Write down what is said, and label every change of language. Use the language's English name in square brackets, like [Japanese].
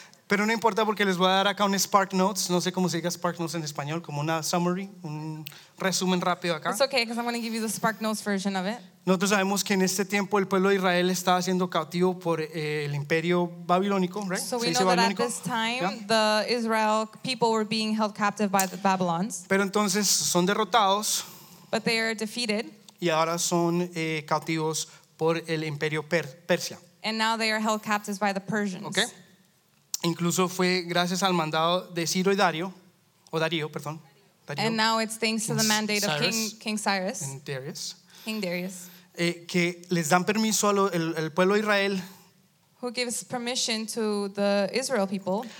[Spanish] Pero no importa porque les voy a dar acá un Spark Notes. No sé cómo se diga Spark Notes en español, como una summary, un resumen rápido acá. [English] It's okay, because I'm going to give you the Spark Notes version of it. [Spanish] Nosotros sabemos que en este tiempo el pueblo de Israel estaba siendo cautivo por el imperio babilónico, right? [English] So we know that at this time, the Israel people were being held captive by the Babylons. [Spanish] Pero entonces son derrotados. [English] But they are defeated. [Spanish] Y ahora son cautivos por el imperio Persia. [English] And now they are held captives by the Persians. Okay. [Spanish] Incluso fue gracias al mandado de Ciro y Darío, o Darío, perdón. Darío. [English] And now it's thanks King to the mandate Cyrus. Of King Cyrus. And Darius. King Darius. [Spanish] Que les dan permiso a el pueblo de Israel. [English] Who gives permission to the Israel people.